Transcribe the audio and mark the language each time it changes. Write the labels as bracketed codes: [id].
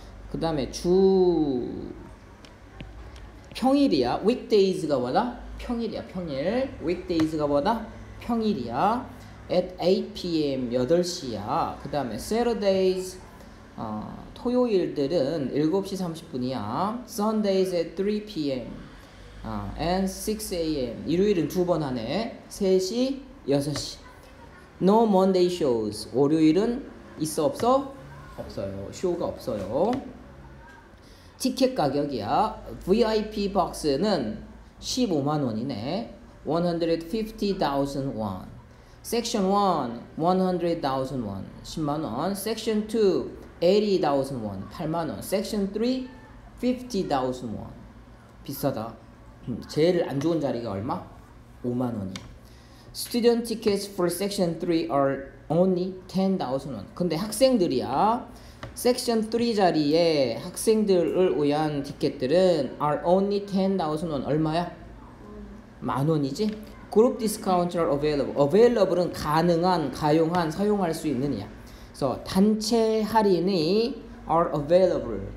[ko] 그 다음에 주 평일이야. weekdays가 뭐다? 평일이야. 평일. weekdays가 뭐다? 평일이야. [en] at 8pm [ko] 8시야. 그 다음에 Saturdays 토요일들은 7시 30분이야. [en] Sundays at 3pm and 6am [ko] 일요일은 두 번 하네. 3시 6시. [en] No Monday shows. [ko] 월요일은 있어 없어? 없어요. 쇼가 없어요. 티켓 가격이야. VIP 박스는 15만 원이네. [en] 150,000 won. Section 1 100,000 won. [ko] 10만 원. [en] Section 2 80,000 won. [ko] 8만 원. [en] Section 3 50,000 won. [ko] 비싸다. 제일 안 좋은 자리가 얼마? 5만 원이야. [en] Student tickets for Section 3 are only 10,000 won. [ko] 근데 학생들이야. Section 3 자리에 학생들을 위한 티켓들은 [en] are only 10,000 won. [ko] 얼마야? 만 원이지. [en] Group discounts are available. [ko] Available은 가능한, 가용한, 사용할 수 있느냐. So 단체 할인이 [en] are available.